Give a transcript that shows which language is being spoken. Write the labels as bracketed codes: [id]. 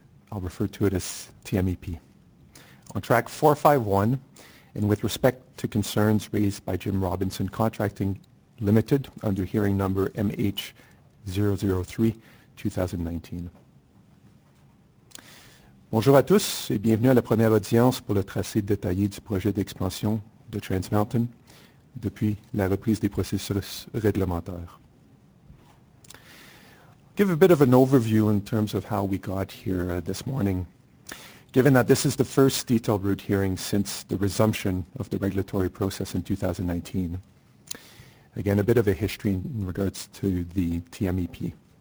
[en] I'll refer to it as TMEP. On track 451, and with respect to concerns raised by Jim Robinson Contracting Limited under hearing number MH003-2019. [fr] Bonjour à tous et bienvenue à la première audience pour le tracé détaillé du projet d'expansion de Trans Mountain depuis la reprise des processus réglementaires. [en] Give a bit of an overview in terms of how we got here this morning. Given that this is the first detailed route hearing since the resumption of the regulatory process in 2019. Again, a bit of a history in regards to the TMEP.